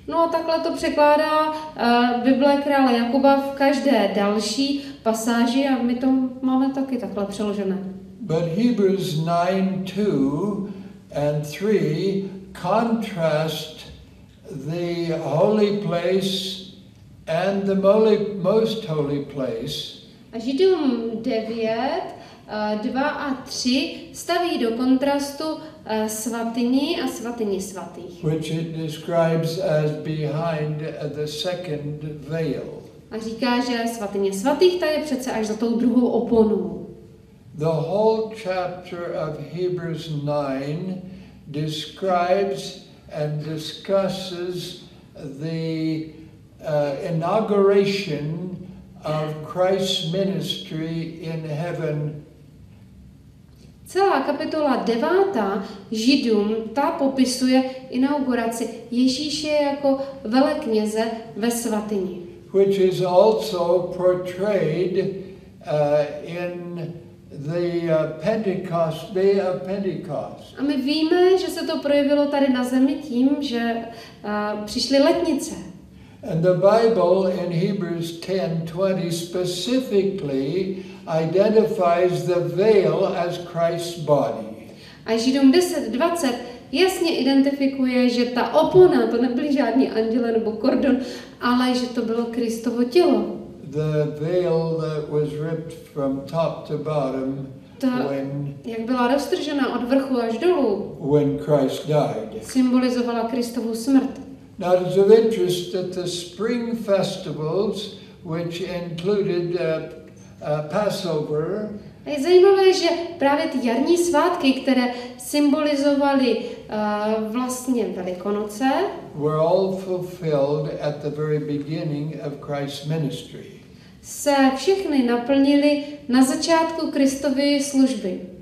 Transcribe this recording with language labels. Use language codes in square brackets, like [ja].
[cs] No a takhle to překládá Bible krále Jakuba v každé další pasáži a my to máme taky takhle přeložené. [en] But Hebrews 9:2 and 3 contrast the holy place and the most holy place. [cs] A Židům 9, 2 a 3 staví do kontrastu svatyni a svatyni svatých. [en] Which it describes as behind the second veil. [cs] A říká, že svatyně svatých, ta je přece až za tou druhou oponou. [en] The whole chapter of Hebrews 9 describes and discusses the inauguration of Christ's ministry in heaven. [cs] Celá kapitola 9. Židům ta popisuje inauguraci Ježíše jako velekněze ve svatyni. [en] Which is also portrayed in the Pentecost, day of Pentecost. [cs] A my víme, že se to projevilo tady na zemi tím, že přišly letnice. [en] And the Bible in Hebrews 10:20 specifically identifies the veil as Christ's body. [cs] A Židům 10:20 jasně identifikuje, že ta opona, to nebyly žádní anděle nebo kordon, ale že to bylo Kristovo tělo. [en] The veil that was ripped from top to bottom when [cs] jak byla roztržena od vrchu až dolů, [en] when Christ died, [cs] symbolizovala Kristovu smrt. [en] Now it is of interest that the spring festivals, which included Passover, [cs] a je zajímavé, že právě ty jarní svátky, které symbolizovaly vlastně Velikonoce, [en] were all fulfilled at the very beginning of Christ's ministry. [cs] Se všechny naplnili na začátku Kristovy služby.